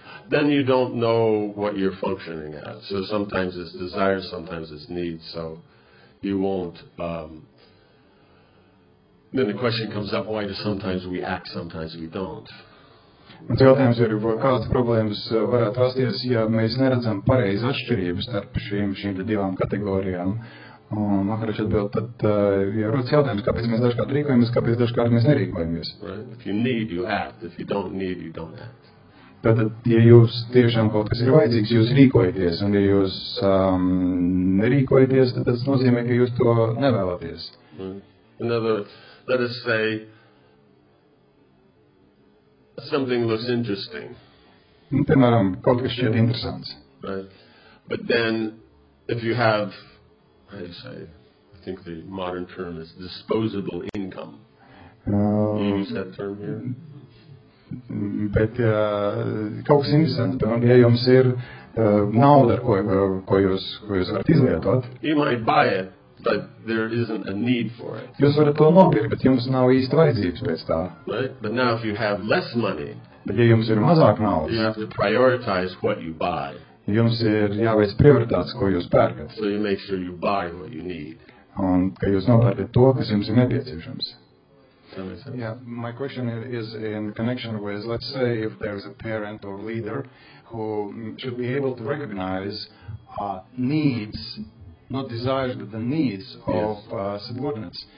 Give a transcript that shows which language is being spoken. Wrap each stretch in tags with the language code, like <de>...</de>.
<en>Then you don't know what you're functioning at. So sometimes it's desire, sometimes it's need. So you won't. Then the question comes up, why do sometimes we act, sometimes we don't?</en> <lv>Un jautājums ir, kādas problēmas varētu rasties, ja mēs neredzam pareizi atšķirības starp šīm divām kategorijām. Un Maharaj atbild, tad ja rodas jautājums, kāpēc mēs dažkārt rīkojamies, kāpēc dažkārt mēs nerīkojamies.</lv> <en>Right. If you need, you act. If you don't need, you don't act.</en> <lv>Bet tad, ja jūs tiešām kaut kas ir vajadzīgs, jūs rīkojaties, un ja jūs nerīkojaties, tad tas nozīmē, ka jūs to nevēlaties.</lv> <en>In other words, let us say, something looks interesting.</en> <lv>Piemēram, kaut kas šķiet interesants.</lv> <en>But then, if you have, how do you say, I think the modern term is disposable income. You use that term here?</en> <lv>Bet kaut kas interesants, bet ja jums ir nauda, ko jūs varat izlietot.</lv> <en>You might buy it, but there isn't a need for it.</en> <lv>Jūs varat to nopirkt, bet jums nav īsti vajadzības pēc tā.</lv> <en>Right? But now if you have less money,</en> <lv>bet ja jums ir mazāk naudas,</lv> <en>you have to prioritize what you buy.</en> <lv>Jums ir jāveic prioritātes, ko jūs pērkat.</lv> <en>So you make sure you buy what you need.</en> <lv>Un ka jūs nopērkat to, kas jums ir nepieciešams.</lv> <en>Yeah, my question is in connection with, let's say, if there's a parent or leader who should be able to recognize needs, not desires, but the needs of subordinates.</en>